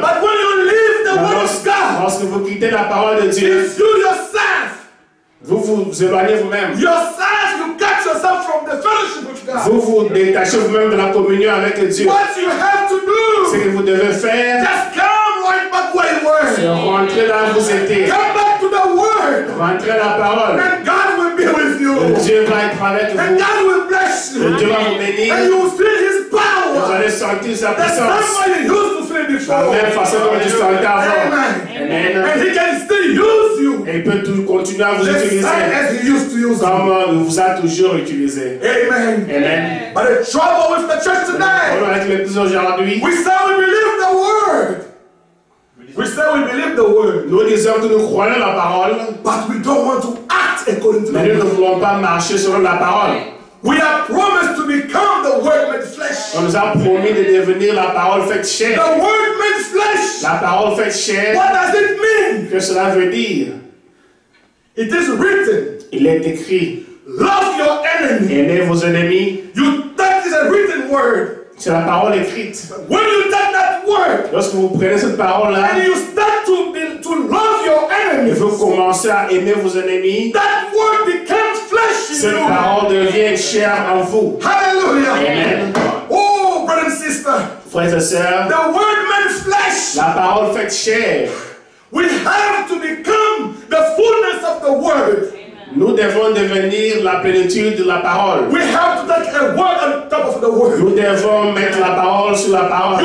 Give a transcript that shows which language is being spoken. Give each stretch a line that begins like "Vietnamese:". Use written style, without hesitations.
English: But when you leave the word of God.
French: Lorsque vous quittez la parole de Dieu.
English: It's you yourself.
French: Vous éloignez vous-même.
English: Yourself, you cut yourself from the fellowship with God.
French: Vous détachez vous-même de la communion avec Dieu.
English: What you have to do?
French: Ce que vous devez faire.
English: Just come right back where you were.
French: C'est rentrer là où vous étiez.
English: Come back to the word.
French: Rentrez la parole.
English: And God will be with you.
French: Et Dieu va être avec vous.
English: And God will bless you.
French: Et Dieu va vous bénir.
English: And you will feel His power.
French: Vous allez sentir sa puissance.
English: That's not what you used to feel before.
French: La même façon que vous sentiez avant.
English: Amen. And He can still use.
French: Il peut tout continuer à vous utiliser comme il vous a toujours utilisé.
English: Amen.
French: Amen.
English: But the trouble with the church today.
French: On avec l'église aujourd'hui.
English: We say we believe the word. We say we believe the word.
French: Nous disons que nous croyons la parole.
English: But we don't want to act according to.
French: Mais nous ne voulons pas marcher selon la parole.
English: We are promised to become the Word made flesh.
French: On nous a promis de devenir la parole faite chair.
English: The Word made flesh.
French: La parole faite chair.
English: What does it mean?
French: Que cela veut dire?
English: It is written.
French: Il est écrit.
English: Love your enemy.
French: Aimez vos ennemis.
English: You that is a written word.
French: C'est la parole écrite.
English: But when you take that word.
French: Lorsque vous prenez cette parole là.
English: And you start to love your enemies.
French: Vous commencez à aimer vos ennemis.
English: That word becomes flesh in
French: cette
English: you.
French: Cette parole devient chair en vous.
English: Hallelujah.
French: Amen.
English: Oh, brother and sister.
French: Frères et sœurs.
English: The word made flesh.
French: La parole faite chair.
English: We have to become the fullness of the word.
French: Nous devons devenir la plénitude de la parole.
English: We have to take a word on top of the word.
French: Nous devons mettre la parole sur la parole.